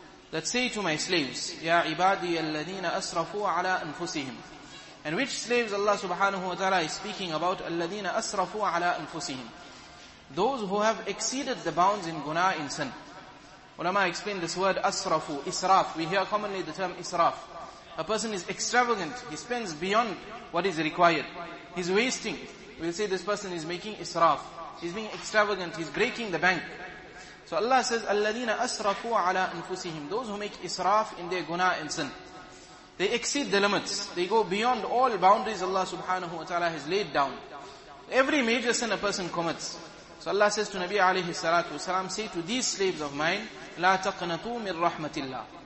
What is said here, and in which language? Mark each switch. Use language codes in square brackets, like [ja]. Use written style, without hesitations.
[en] That say to my slaves, [ar] يَا عِبَادِيَ الَّذِينَ أَسْرَفُوا عَلَىٰ أَنفُسِهِمْ. [en] And which slaves Allah subhanahu wa ta'ala is speaking about? [ar] الَّذِينَ أَسْرَفُوا عَلَىٰ أَنفُسِهِمْ. [en] Those who have exceeded the bounds in guna, in sin. Ulama explained this word, أَسْرَفُوا, إِسْرَاف. We hear commonly the term إِسْرَاف. A person is extravagant. He spends beyond what is required. He's wasting. We'll say this person is making إِسْرَاف. He's being extravagant. He's breaking the bank. So Allah says, [ar] الَّذِينَ أَسْرَفُوا عَلَىٰ أَنفُسِهِمْ. [en] Those who make إِسْرَاف in their guna and sin. They exceed the limits. They go beyond all boundaries Allah subhanahu wa ta'ala has laid down. Every major sin a person commits. So Allah says to Nabi alayhi salatu wasalam, say to these slaves of mine, [ar] لَا تَقْنَطُوا مِنْ رَحْمَةِ اللَّهِ.